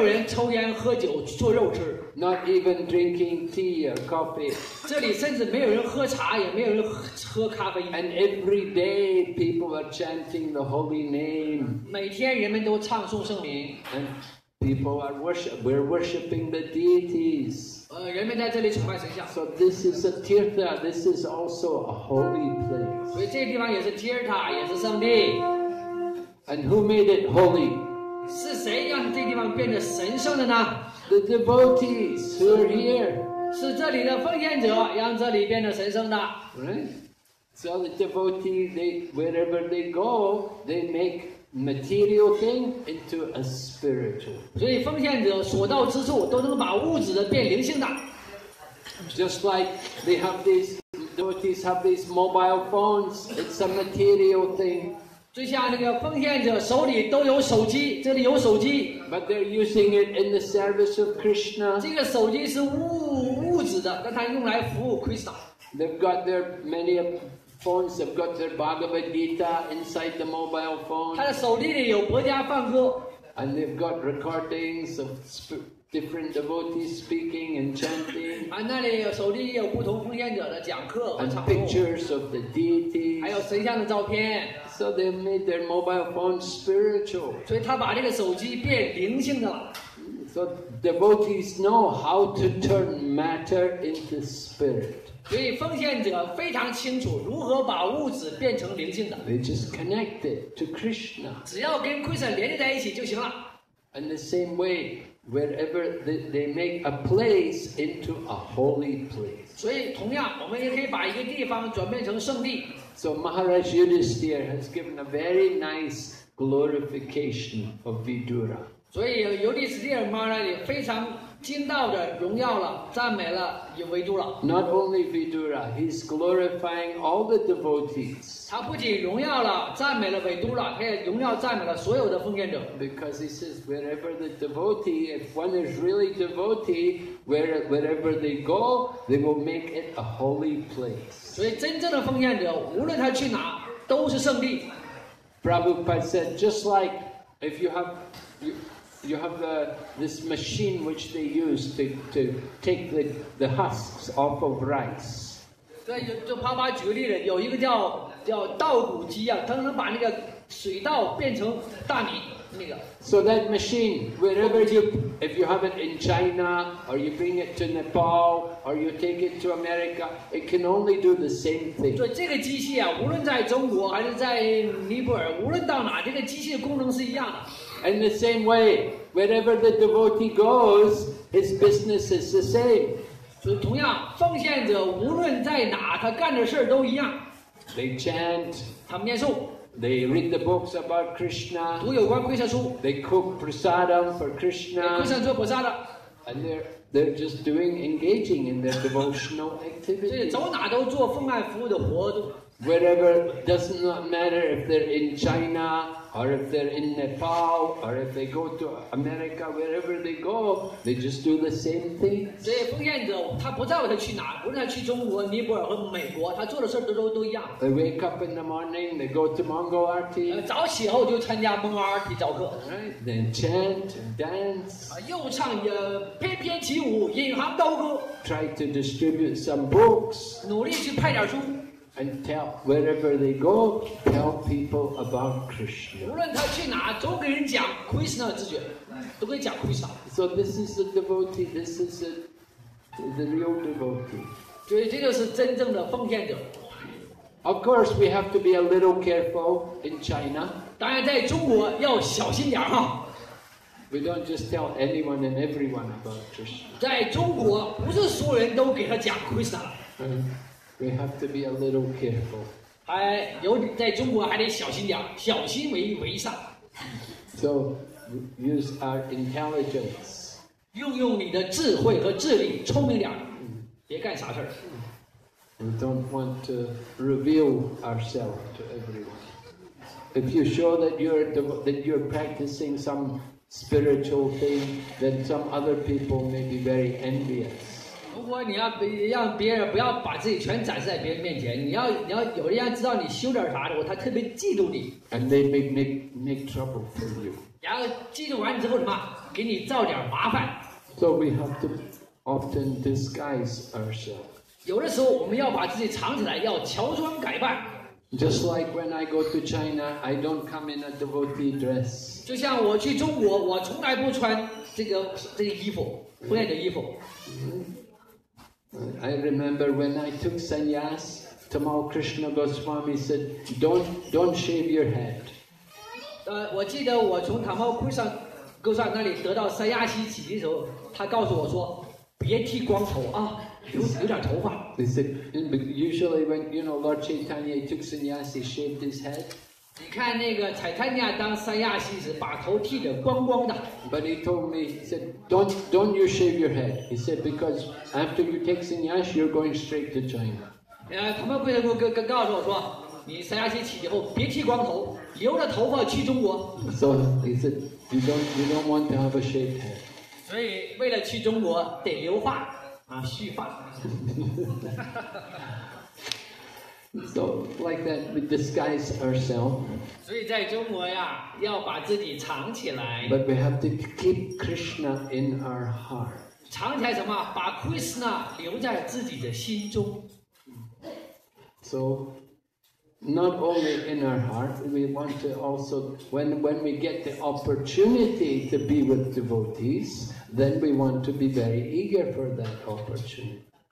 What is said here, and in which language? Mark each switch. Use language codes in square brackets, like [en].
[zh] 这里没有人抽烟喝酒做肉吃。 [en] Not even drinking tea or coffee. [zh] 这里甚至没有人喝茶，也没有人喝咖啡。 [en] And every day people are chanting the holy name. [zh] 每天人们都唱诵圣名。 [en] And people are worshiping the deities. [zh] 人们在这里崇拜神像。 [en] So this is a tirtha, this is also a holy place. [zh] 所以这地方也是tirtha，也是圣地。 [en] And who made it holy? [zh] 是谁让这地方变得神圣的呢？ [en] The devotees who are here. [zh] 是这里的奉献者让这里变得神圣的。 [en] Right? So the devotees, wherever they go, they make material thing into a spiritual. [zh] 所以奉献者所到之处都能把物质的变灵性的。 [en] Just like they have these, devotees have these mobile phones, it's a material thing. [zh] 就像那个奉献者手里都有手机，这里有手机。 [en] But they're using it in the service of Krishna. [zh] 这个手机是物质的，但它用来服务Krishna。 [en] They've got their many phones, they've got their Bhagavad Gita inside the mobile phone. [zh] 他的手机里有国家放歌。 [en] And they've got recordings of different devotees speaking and chanting. 啊,And pictures of the deities. [zh] 还有神像的照片。 [en] So they made their mobile phone spiritual. [zh] 所以他把这个手机变灵性的了。 [en] So devotees know how to turn matter into spirit. [zh] 所以奉献者非常清楚如何把物质变成灵性的。 [en] They just connect it to Krishna. [zh] 只要跟 Krishna 连接在一起就行了。 [en] In the same way. Wherever they make a place into a holy place. [zh] 所以同样我们也可以把一个地方转变成圣地。 [en] So Maharaj Yudhisthira has given a very nice glorification of Vidura. [zh] 所以尤迪斯提尔 Maharaj 也非常精到的荣耀了赞美了有维度了。 [en] Not only Vidura, he's glorifying all the devotees. [zh] 他不仅荣耀了赞美了维度了他也荣耀赞美了所有的奉献者。 [en] Because he says, wherever the devotee, if one is really devotee, wherever they go, they will make it a holy place. [zh] 所以真正的奉献者无论他去哪都是圣地。 [en] Prabhupada said, just like if you have this machine which they use to take the husks off of rice. [zh] 对，就啪啪举个例子，有一个叫稻谷机啊，它能把那个水稻变成大米那个。 [en] So that machine, wherever you, if you have it in China, or you bring it to Nepal, or you take it to America, it can only do the same thing. [zh] 对，这个机器啊，无论在中国还是在尼泊尔，无论到哪，这个机器的功能是一样的。 [en] In the same way, wherever the devotee goes, his business is the same. [zh] 所以同样，奉献者无论在哪，他干的事儿都一样。 [en] They chant. [zh] 他们念诵。 [en] They read the books about Krishna. [zh] 读有关 Krishna 书。 [en] They cook prasadam for Krishna. [zh] 给 Krishna 做 prasadam。 [en] And they're just doing engaging in their devotional activity. [zh] 所以走哪都做奉献服务的活动。 [en] Wherever, does not matter if they're in China, or if they're in Nepal, or if they go to America, wherever they go, they just do the same thing. [zh] 所以奉献者他不在乎他去哪，无论他去中国、尼泊尔和美国，他做的事都一样。 [en] They wake up in the morning, they go to Mongol Arti. [zh] 早起后就参加 Mongol Arti 教课。 [en] Then chant, dance. [zh] 又唱也翩翩起舞，引吭高歌。 [en] Try to distribute some books. [zh] 努力去派点书。 [en] And tell wherever they go, tell people about Krishna. [zh] 无论他去哪，都给人讲 Krishna 之觉，都给讲 Krishna. [en] So this is the devotee. This is the real devotee. [zh] 所以这就是真正的奉献者。 [en] Of course, we have to be a little careful in China. [zh] 当然，在中国要小心点哈。 [en] We don't just tell anyone and everyone about Krishna. [zh] 在中国，不是所有人都给他讲 Krishna 了。 [en] We have to be a little careful. [zh] 还有在中国还得小心点，小心为上。 [en] So use our intelligence. [zh] 用你的智慧和智力，聪明点，别干啥事儿。 [en] We don't want to reveal ourselves to everyone. If you show that you're practicing some spiritual thing, then some other people may be very envious. [zh] 如果你要让别人不要把自己全展示在别人面前，你要有人要知道你修点啥的，他特别嫉妒你。 [en] And they make trouble for you. [zh] 然后嫉妒完之后什么，给你造点麻烦。 [en] So we have to often disguise ourselves. [zh] 有的时候我们要把自己藏起来，要乔装改扮。 [en] Just like when I go to China, I don't come in a devotee dress. [zh] 就像我去中国，我从来不穿这个衣服，不穿的衣服。 [en] I remember when I took sannyas, Tamal Krishna Goswami said, don't shave your head. [zh] 我记得我从塔茂库上哥萨那里得到三亚西启迪的时候，他告诉我说，别剃光头啊，留点头发。 [en] He said, usually when you know Lord Chaitanya took sannyas, he shaved his head. [zh] 你看那个彩檀尼亚当三亚西时，把头剃得光光的。 [en] But he told me, he said, don't you shave your head. He said, because after you take sannyas, you're going straight to China. [zh] 他们贵人告诉我说，你三亚西起以后别剃光头，留着头发去中国。 [en] So he said, you don't want to have a shaved head. [zh] 所以为了去中国得留发啊，蓄发。 [en] So like that, we disguise ourselves. [zh] 所以在中国呀，要把自己藏起来。 [en] But we have to keep Krishna in our heart. [zh] 常才什么把 Krishna 留在自己的心中。 [en] So, not only in our heart, we want to also, when we get the opportunity to be with devotees, then we want to be very eager for that opportunity.